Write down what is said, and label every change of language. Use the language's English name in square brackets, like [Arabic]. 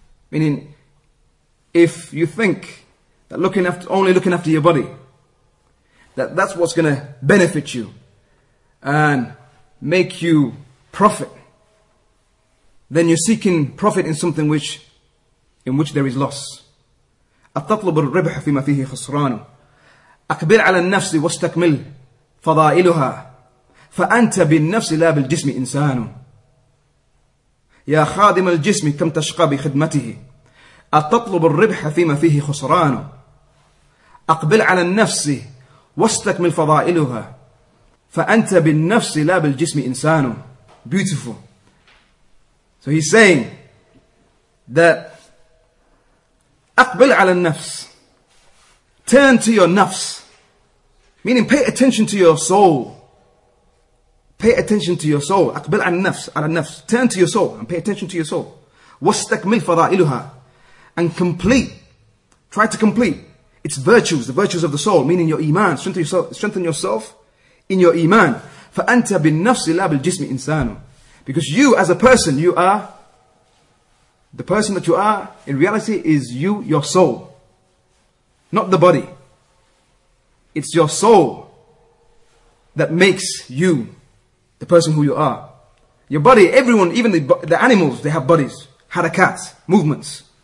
[English] Meaning, if you think that only looking after your body, that's what's going to benefit you and make you profit, then you're seeking profit in something in which there is loss. [Arabic] أَتَطْلُبُ الرِّبْحَ فِيمَا فِيهِ خُسْرَانٌ. أكبر على النفس واستكمل فضائلها فأنت بالنفس لا بالجسم إنسان يا خادم الجسم كم تشقى بخدمته أتطلب الربح فيما فيه خسران أقبل على النفس واستكمل فضائلها فأنت بالنفس لا بالجسم إنسان. [English] Beautiful. So he's saying that [Arabic] أقبل على النفس. [English] Turn to your nafs. Meaning pay attention to your soul. Pay attention to your soul. [Arabic] أقبل على النفس. على النفس. [English] Turn to your soul and pay attention to your soul. [Arabic] واستكمل فضائلها. [English] And complete. Try to complete its virtues, the virtues of the soul. Meaning your iman. Strengthen yourself in your iman. [Arabic] فأنت بالنفس لا بالجسم إنسان. [English] Because you as a person, you are. The person that you are in reality is you, your soul. Not the body. It's your soul that makes you the person who you are. Your body, everyone, even the animals, they have bodies. Harakat, movements.